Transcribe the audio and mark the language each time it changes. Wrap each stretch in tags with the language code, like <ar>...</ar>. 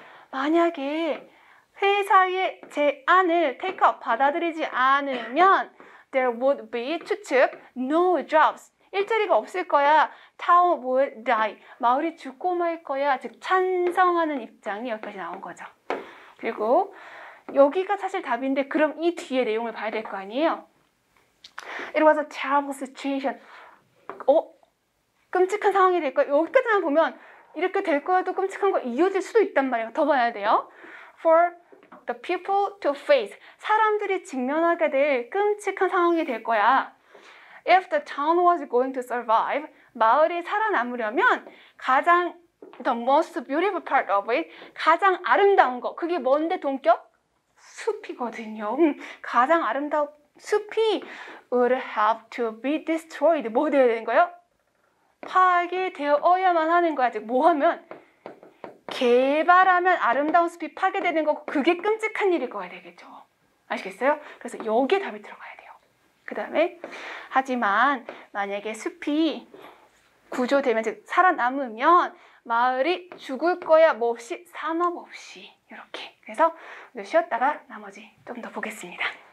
<ko>만약에 회사의 제안을 테이크업 받아들이지 않으면</ko> <en>there would be</en> <ko>추측</ko> <en>no jobs</en> <ko>일자리가 없을 거야.</ko> <en>Town would die</en> <ko>마을이 죽고 말 거야. 즉 찬성하는 입장이 여기까지 나온 거죠. 그리고 여기가 사실 답인데 그럼 이 뒤에 내용을 봐야 될 거 아니에요?</ko> <en>It was a terrible situation.</en> <ko>어? 끔찍한 상황이 될 거야. 여기까지만 보면 이렇게 될 거야도 끔찍한 거 이어질 수도 있단 말이야. 더 봐야 돼요.</ko> <en>For the people to face.</en> <ko>사람들이 직면하게 될 끔찍한 상황이 될 거야.</ko> <en>If the town was going to survive,</en> <ko>마을이 살아남으려면 가장</ko> <en>the most beautiful part of it,</en> <ko>가장 아름다운 거. 그게 뭔데 동격? 숲이거든요. 가장 아름다운 숲이</ko> <en>would have to be destroyed.</en> <ko>뭐 돼야 되는 거예요? 파괴되어야만 하는 거야. 즉, 뭐 하면? 개발하면 아름다운 숲이 파괴되는 거고 그게 끔찍한 일일 거야 되겠죠. 아시겠어요? 그래서 여기에 답이 들어가야 돼요. 그 다음에 하지만 만약에 숲이 구조되면 즉 살아남으면 마을이 죽을 거야 뭐 없이 산업 없이 이렇게. 그래서 오늘 쉬었다가 나머지 좀 더 보겠습니다.</ko>